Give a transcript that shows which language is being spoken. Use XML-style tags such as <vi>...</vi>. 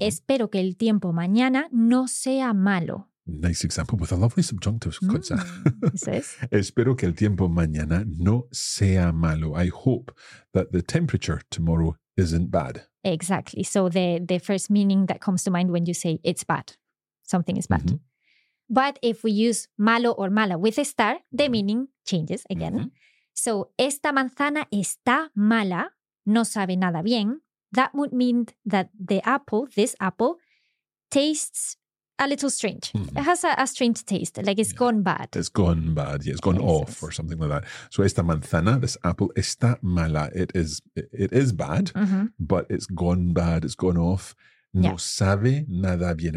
<es>Espero que el tiempo mañana no sea malo.</es> <en>Nice example with a lovely subjunctive. Mm-hmm.</en> <es>Espero que el tiempo mañana no sea malo.</es> <en>I hope that the temperature tomorrow isn't bad. Exactly. So the first meaning that comes to mind when you say it's bad, something is bad. Mm-hmm. But if we use malo or mala with estar, the meaning changes again. Mm-hmm. So</en> <es>esta manzana está mala, no sabe nada bien.</es> <en>That would mean that the apple, this apple, tastes a little strange. Mm-hmm. It has a strange taste, like it's gone bad. It's gone bad, yeah, it's gone off or something like that. So</en> <es>esta manzana,</es> <en>this apple,</en> <es>está mala.</es> <en>It is bad, mm-hmm. but it's gone bad, it's gone off.</en> <es>No sabe nada bien.</es>